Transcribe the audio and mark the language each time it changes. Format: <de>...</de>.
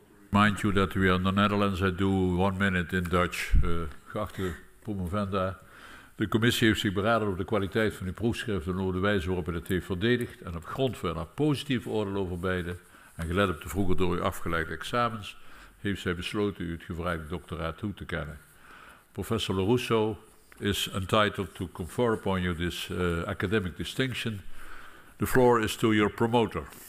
<en>Mind you that we are in the Netherlands, I do 1 minute in Dutch.</en> <nl>Geachte promovenda, de commissie heeft zich beraden over de kwaliteit van uw proefschrift en over de wijze waarop het heeft verdedigd en op grond van haar positieve oordeel over beide en gelet op de vroeger door u afgelegde examens, heeft zij besloten u het gevraagde doctoraat toe te kennen.</nl> <en>Professor LaRusso is entitled to confer upon you this academic distinction. The floor is to your promoter.</en>